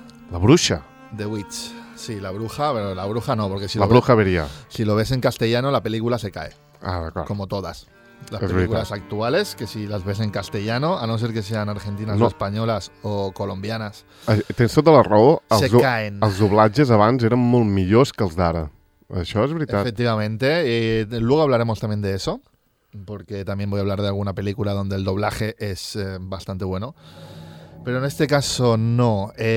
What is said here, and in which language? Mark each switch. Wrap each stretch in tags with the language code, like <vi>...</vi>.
<es>La bruja.</es> <en>The Witch.</en> <es>Sí, la bruja, pero la bruja no, porque si la bruja vería. Si lo ves en castellano, la película se cae. Ah, claro. Como todas las películas actuales, que si las ves en castellano, a no ser que sean argentinas o españolas o colombianas.</es> <ca>Tens tota la raó.</ca> <es>Se caen.</es> <ca>Els doblatges abans eren molt millors que els d'ara. Això és veritat.</ca> <es>Efectivamente. Y luego hablaremos también de eso, porque también voy a hablar de alguna película donde el doblaje es bastante bueno. Pero en este caso no.</es>